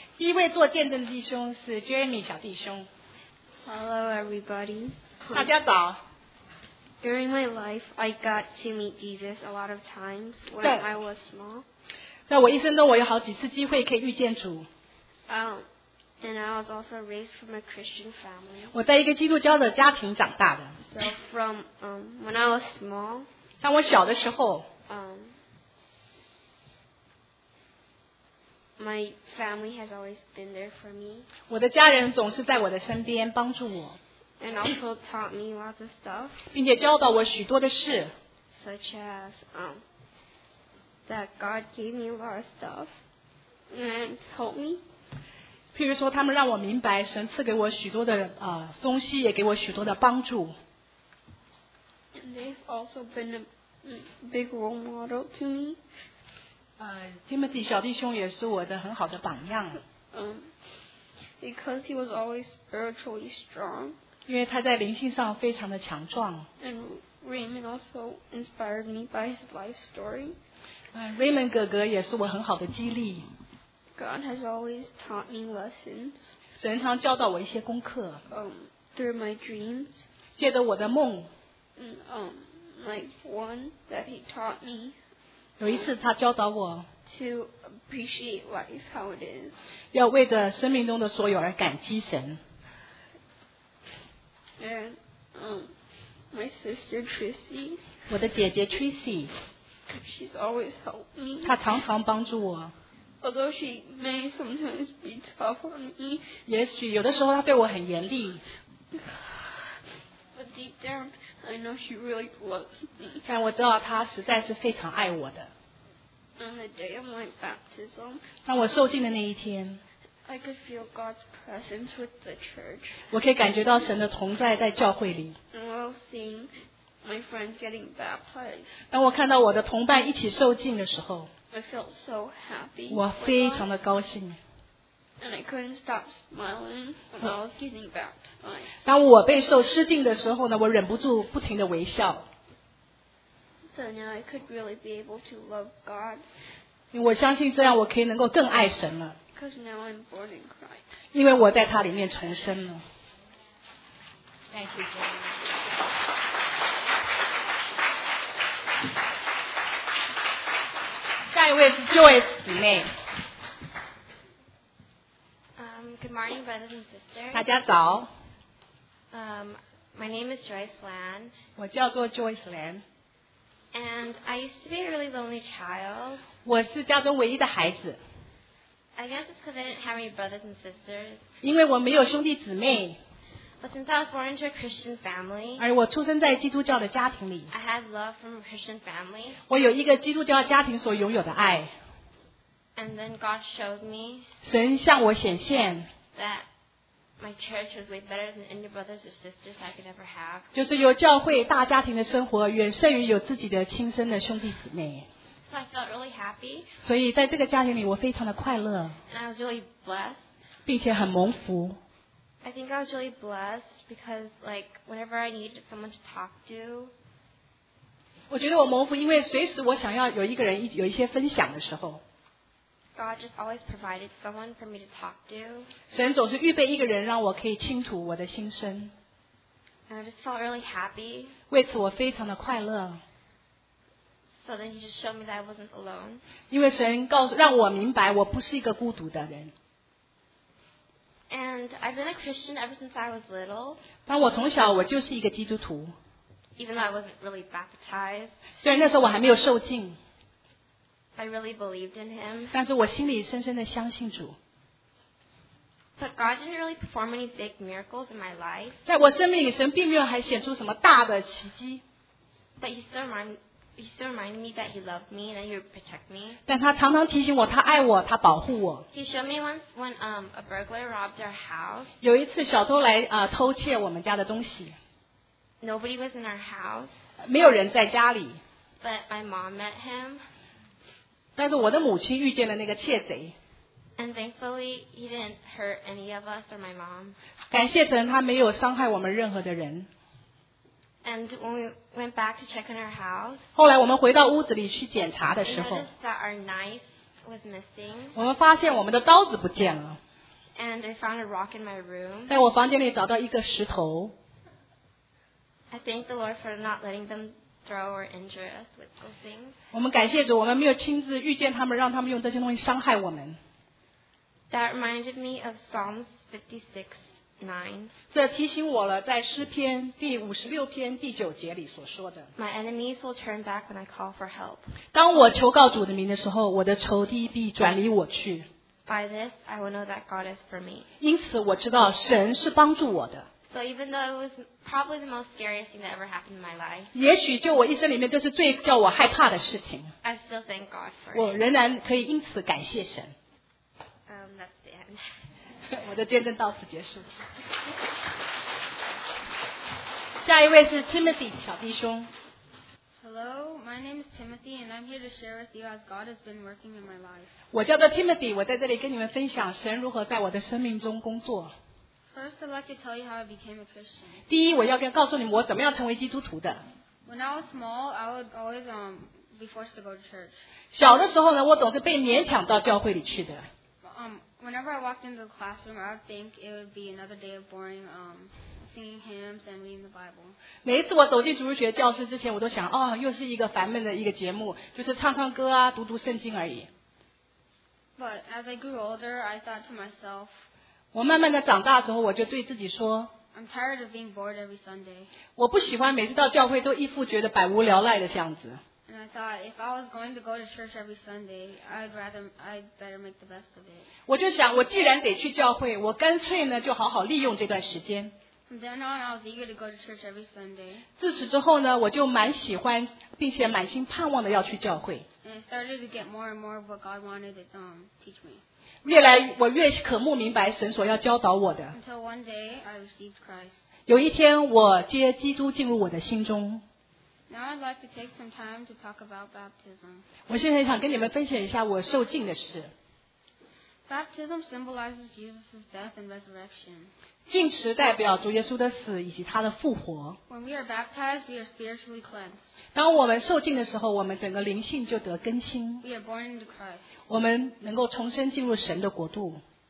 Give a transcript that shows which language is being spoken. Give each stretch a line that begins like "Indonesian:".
Chinese: 第一位做见证的弟兄是 Jeremy 小弟兄。
English: Hello everybody.
Chinese: 大家早。
English: During my life, I got to meet Jesus a lot of times when I was small.
Chinese: 在我一生中，我有好几次机会可以遇见主。
English: And I was also raised from a Christian family.
Chinese: 我在一个基督教的家庭长大的。
English: So from when I was small.
Chinese: 当我小的时候。
English: My family has always been there for me.
Chinese: 我的家人总是在我的身边帮助我。
English: And also taught me lots of stuff.
Chinese: 并且教导我许多的事。
English: Such as that God gave me a lot of stuff and helped me.
Chinese: 譬如说他们让我明白神赐给我许多的东西，也给我许多的帮助。
English: And they've also been a big role model to me.
Chinese: Timothy 小弟兄也是我的很好的榜样。
English: Because he was always spiritually strong.
Chinese: 因为他在灵性上非常的强壮。
English: And Raymond also inspired me by his life story.
Chinese: Raymond 哥哥也是我很好的激励。
English: God has always taught me lessons.
Chinese: 神常教导我一些功课。
English: Through my dreams.
Chinese: 借着我的梦。
English: Like one that he taught me.
Chinese: 有一次他教导我。
English: To appreciate life how it is.
Chinese: 要为着生命中的所有而感激神。
English: And my sister Tracy.
Chinese: 我的姐姐 Tracy.
English: She's always helped me.
Chinese: 她常常帮助我。
English: Although she may sometimes be tough on me,
Chinese: 也许有的时候她对我很严厉。
English: But deep down, I know she really loves me.
Chinese: 但我知道她实在是非常爱我的。
English: On the day of my baptism,
Chinese: 当我受浸的那一天
English: ，I could feel God's presence with the church.
Chinese: 我可以感觉到神的同在在教会里。
English: And while seeing my friends getting baptized,
Chinese: 当我看到我的同伴一起受浸的时候。
English: I felt so happy.
Chinese: 我非常的高兴。
English: And I couldn't stop smiling when I was getting baptized.
Chinese: 当我被受施浸的时候呢，我忍不住不停的微笑。
English: So now I could really be able to love God.
Chinese: 我相信这样我可以能够更爱神了。
English: Because now I'm born in Christ.
Chinese: 因为我在他里面重生了。
English: Thank you. Good morning, brothers and sisters.
Chinese: 大家早。
English: My name is Joyce Lan.
Chinese: 我叫做 Joyce Lan.
English: And I used to be a really lonely child.
Chinese: 我是家中唯一的孩子。
English: I guess it's because I didn't have any brothers and sisters.
Chinese: 因为我没有兄弟姊妹。
English: But since I was born into a Christian family,
Chinese: 而我出生在基督教的家庭里
English: I had love from a Christian family.
Chinese: 我有一个基督教家庭所拥有的爱
English: And then God showed me
Chinese: 神向我显现
English: that my church was way better than any brothers or sisters I could ever have.
Chinese: 就是有教会大家庭的生活远胜于有自己的亲生的兄弟姊妹
English: So I felt really happy.
Chinese: 所以在这个家庭里我非常的快乐
English: And I was really blessed.
Chinese: 并且很蒙福
English: I think I was really blessed because, like, whenever I needed someone to talk to.
Chinese: 我觉得我蒙福，因为随时我想要有一个人有一些分享的时候。
English: God just always provided someone for me to talk to.
Chinese: 神总是预备一个人让我可以倾吐我的心声。
English: And I just felt really happy.
Chinese: 为此我非常的快乐。
English: So then He just showed me that I wasn't alone.
Chinese: 因为神告诉让我明白我不是一个孤独的人。
English: And I've been a Christian ever since I was little.
Chinese: 当我从小，我就是一个基督徒。
English: Even though I wasn't really baptized.
Chinese: 虽然那时候我还没有受浸。
English: I really believed in Him.
Chinese: 但是我心里深深的相信主。
English: But God didn't really perform any big miracles in my life.
Chinese: 在我生命里，神并没有还显出什么大的奇迹。
English: But He still reminded me that He loved me and that He would protect me.
Chinese: 但他常常提醒我，他爱我，他保护我。
English: He showed me once when a burglar robbed our house.
Chinese: 有一次小偷来偷窃我们家的东西。
English: Nobody was in our house.
Chinese: 没有人在家里。
English: But my mom met him.
Chinese: 但是我的母亲遇见了那个窃贼。
English: And thankfully, he didn't hurt any of us or my mom.
Chinese: 感谢神，他没有伤害我们任何的人。
English: And when we went back to check on our house,
Chinese: 后来我们回到屋子里去检查的时候
English: we noticed that our knife was missing.
Chinese: 我们发现我们的刀子不见了。
English: And I found a rock in my room.
Chinese: 在我房间里找到一个石头。
English: I thank the Lord for not letting them throw or injure us with those things.
Chinese: 我们感谢主，我们没有亲自遇见他们，让他们用这些东西伤害我们。
English: That reminded me of Psalms 56:9.
Chinese: 这提醒我了，在诗篇第五十六篇第九节里所说的。
English: My enemies will turn back when I call for help.
Chinese: 当我求告主的名的时候，我的仇敌必转离我去。
English: By this, I will know that God is for me.
Chinese: 因此我知道神是帮助我的。
English: So even though it was probably the most scariest thing that ever happened in my life,
Chinese: 也许就我一生里面这是最叫我害怕的事情。
English: I still thank God for it.
Chinese: 我仍然可以因此感谢神。
English: That's the end.
Chinese: 我的见证到此结束。下一位是 Timothy 小弟兄。
English: Hello, my name is Timothy, and I'm here to share with you as God has been working in my life.
Chinese: 我叫做 Timothy, 我在这里跟你们分享神如何在我的生命中工作。
English: First, I'd like to tell you how I became a Christian.
Chinese: 第一，我要告诉你们我怎么样成为基督徒的。
English: When I was small, I would always be forced to go to church.
Chinese: 小的时候呢，我总是被勉强到教会里去的。
English: Whenever I walked into the classroom, I would think it would be another day of boring, singing hymns and reading the Bible.
Chinese: 每一次我走进主日学教室之前，我都想，哦，又是一个烦闷的一个节目，就是唱唱歌啊，读读圣经而已。
English: But as I grew older, I thought to myself.
Chinese: 我慢慢的长大之后，我就对自己说。
English: I'm tired of being bored every Sunday.
Chinese: 我不喜欢每次到教会都一副觉得百无聊赖的样子。
English: And I thought if I was going to go to church every Sunday, I'd better make the best of it.
Chinese: 我就想，我既然得去教会，我干脆呢就好好利用这段时间。
English: From then on, I was eager to go to church every Sunday.
Chinese: 自此之后呢，我就蛮喜欢，并且满心盼望的要去教会。
English: And I started to get more and more of what God wanted to teach me.
Chinese: 越来我越渴慕明白神所要教导我的。
English: Until one day, I received Christ.
Chinese: 有一天，我接基督进入我的心中。
English: Now I'd like to take some time to talk about baptism.
Chinese: 我现在想跟你们分享一下我受浸的事。
English: Baptism symbolizes Jesus' death and resurrection.
Chinese: 浸池代表主耶稣的死以及他的复活。
English: When we are baptized, we are spiritually cleansed.
Chinese: 当我们受浸的时候，我们整个灵性就得更新。
English: We are born into Christ.
Chinese: 我们能够重生进入神的国度。